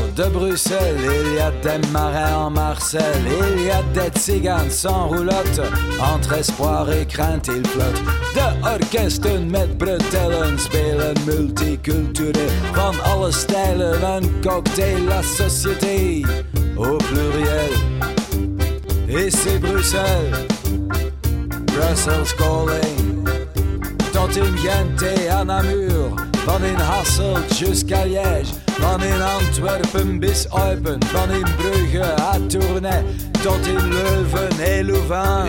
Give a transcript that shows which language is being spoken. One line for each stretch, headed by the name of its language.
French: Bruxelles, il y a des marins en Marcel, il y a des tziganes sans roulotte, entre espoir et crainte ils flottent.
Dutch: De orkesten met bretellen spelen multiculturel, van alle stijlen een cocktail,
French: la société au pluriel. Et c'est Bruxelles,
English: Brussels calling,
Dutch: tot in Ghent
French: et à Namur,
Dutch: van in Hasselt
French: jusqu'à Liège.
Dutch: Van in Antwerpen
German: bis
Dutch: Eupen, van in Brugge
French: à Tournai,
Dutch: tot in Leuven
French: et Louvain.